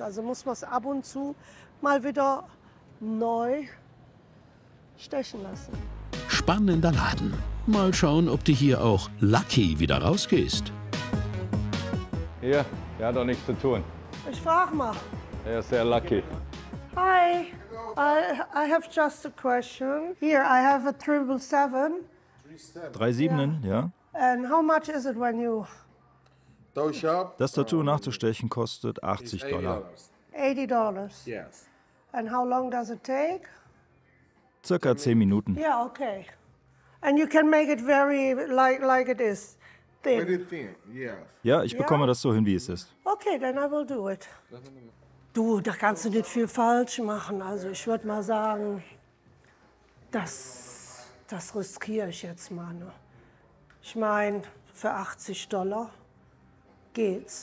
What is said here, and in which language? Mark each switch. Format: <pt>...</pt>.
<de>Also muss man es ab und zu mal wieder neu stechen lassen. Spannender Laden. Mal schauen, ob du hier auch lucky wieder rausgehst. Hier, der hat doch nichts zu tun. Ich frage mal. Er ist sehr lucky.</de> <en>Hi, I have just a question. Here, I have a 777.</en> <de>37, ja.</de> <en>And how much is it when you...</en> <de>Das Tattoo nachzustechen kostet $80.</de> <en>$80? Yes. And how long does it take?</en> <de>Circa 10 Minuten.</de> <en>Yeah, okay. And you can make it very like it is. Thin. Very thin. Yes.</en> <de>Ja, ich bekomme das so hin, wie es ist.</de> <en>Okay, then I will do it.</en> <de>Du, da kannst du nicht viel falsch machen. Also ich würde mal sagen, das riskiere ich jetzt mal. Ne? Ich meine, für $80 geht's.</de>